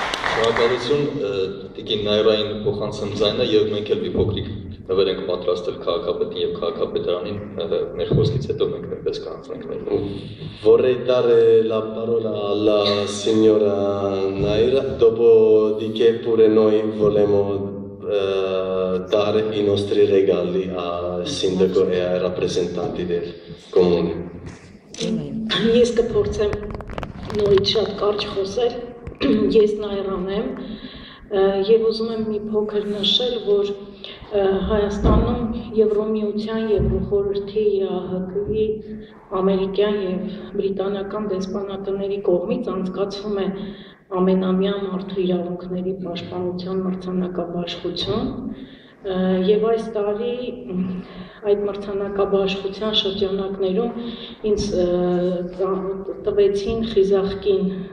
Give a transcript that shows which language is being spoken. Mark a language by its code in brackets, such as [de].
[hy] Շնորհակալություն Տիկին Նայրային փոխանցում ձայնը եւ մենք էլ մի փոքրիկ նվեր ենք պատրաստել քաղաքապետին եւ քաղաքապետարանին մեր խոսքից հետո մենք այնպես կանցնենք մեր [it] Vorrei dare la parola alla signora Naira, dopodiché pure noi volemo dare i nostri regali al sindaco e ai rappresentanti del comune. [hy] Ես կփորձեմ նորից շատ կարճ խոսել. Ես Նայրան եմ եւ ուզում եմ մի փոքր նշել, որ Հայաստանում Եվրոմիության եւ խորհրդի ՀԿ-ի ամերիկյան եւ բրիտանական դեսպանատների կողմից անցկացվում է ամենամյա մարդու իրավունքների պաշտպանության մրցանակաբաշխություն եւ այս տարի այդ մրցանակաբաշխության շրջանակներում ինձ տվեցին խիզախքին